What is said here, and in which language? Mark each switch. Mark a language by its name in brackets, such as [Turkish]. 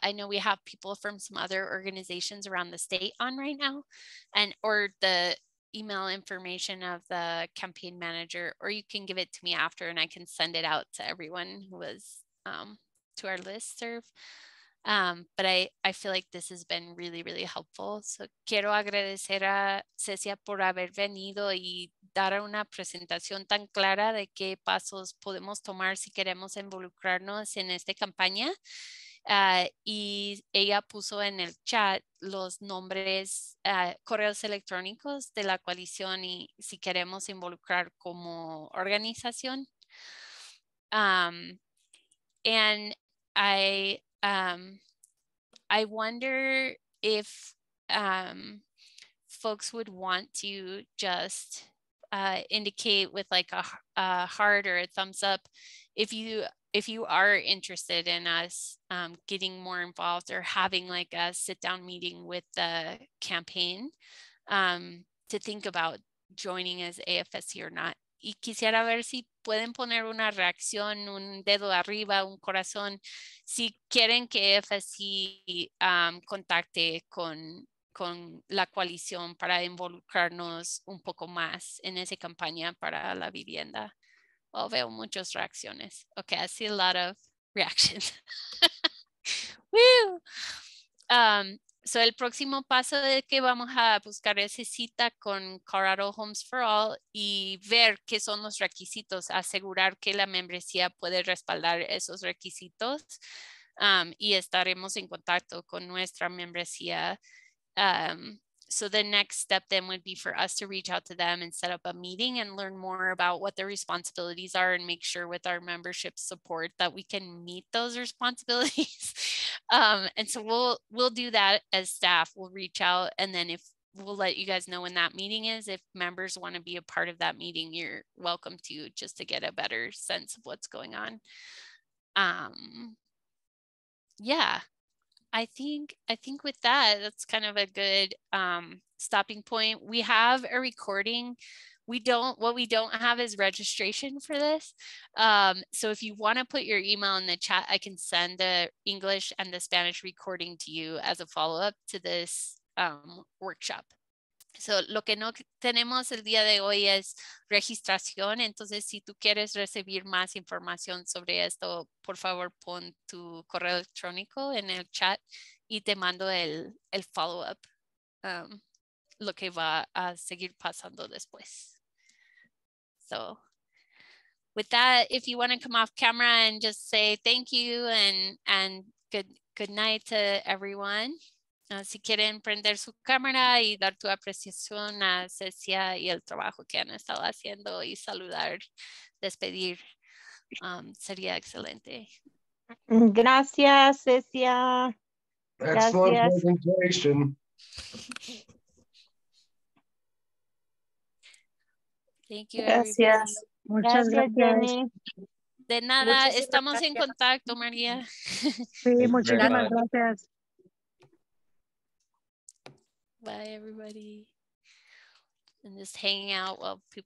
[English] I know we have people from some other organizations around the state on right now, and or the email information of the campaign manager, or you can give it to me after and I can send it out to everyone who was to our listserv. But I feel like this has been really, really helpful. [Spanish] So quiero agradecer a Cecia por haber venido y dar una presentación tan clara de qué pasos podemos tomar si queremos involucrarnos en esta campaña. Y ella puso en el chat los nombres, correos electrónicos de la coalición y si queremos involucrar como organización. [English] I wonder if folks would want to just indicate with like a heart or a thumbs up if you are interested in us getting more involved or having like a sit down meeting with the campaign to think about joining as AFSC or not. [Spanish] Y quisiera ver si pueden poner una reacción, un dedo arriba, un corazón, si quieren que AFSC contacte con la coalición para involucrarnos un poco más en esa campaña para la vivienda. [English] Oh, [Spanish] veo muchas reacciones. [English] Okay, I see a lot of reactions. [Spanish] Woo! So el próximo paso es que vamos a buscar esa cita con Colorado Homes for All y ver qué son los requisitos, asegurar que la membresía puede respaldar esos requisitos y estaremos en contacto con nuestra membresía. [English] So the next step then would be for us to reach out to them and set up a meeting and learn more about what their responsibilities are and make sure with our membership support that we can meet those responsibilities. and so we'll do that as staff. We'll reach out and then if we'll let you guys know when that meeting is. If members want to be a part of that meeting, you're welcome to, just to get a better sense of what's going on. I think with that, that's kind of a good stopping point. We have a recording. What we don't have is registration for this. So if you want to put your email in the chat, I can send the English and the Spanish recording to you as a follow-up to this workshop. [Spanish] So, lo que no tenemos el día de hoy es registración. Entonces, si tú quieres recibir más información sobre esto, por favor, pon tu correo electrónico en el chat y te mando el follow-up, lo que va a seguir pasando después. [English] So, with that, if you want to come off camera and just say thank you and good night to everyone. [Spanish] Si quieren prender su cámara y dar tu apreciación a Cecia y el trabajo que han estado haciendo y saludar, despedir, sería excelente. Gracias, Cecia. [English] Excellent presentation. Thank you. [Spanish] Gracias. Muchas gracias. De nada, muchas estamos gracias. En contacto, María. Sí, muchísimas gracias. [English] Bye, everybody. And just hanging out while people